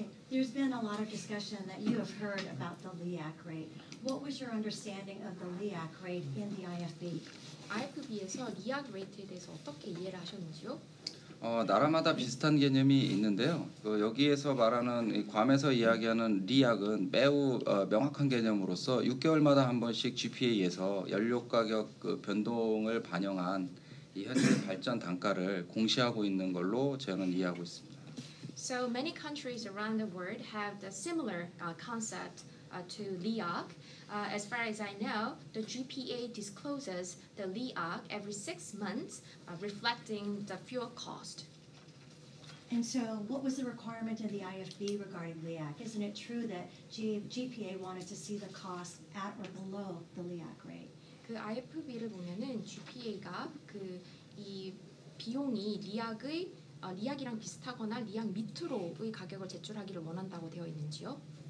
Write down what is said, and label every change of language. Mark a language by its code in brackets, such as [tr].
[en] There's been a lot of discussion that you have heard about the LEAC rate. What was your understanding of the LEAC rate in the IFB? [ko] IFB에서 LEAC rate에 대해서 어떻게 이해를 하셨는지요? 나라마다 비슷한 개념이 있는데요. 그 여기에서 말하는 이 괌에서 이야기하는 리약은 매우 명확한 개념으로서 6개월마다 한 번씩 GPA에서 연료 가격 그 변동을 반영한 이 현재 발전 단가를 공시하고 있는 걸로 저는 이해하고 있습니다. [en] So many countries around the world have the similar concept to LEAC. As far as I know, the GPA discloses the LEAC every 6 months, reflecting the fuel cost. And so what was the requirement of the IFB regarding LEAC? Isn't it true that GPA wanted to see the cost at or below the LEAC rate? [ko] 그 IFB를 보면은 GPA가 그 이 비용이 LEAC의 리약이랑 비슷하거나 리약 밑으로의 가격을 제출하기를 원한다고 되어 있는지요?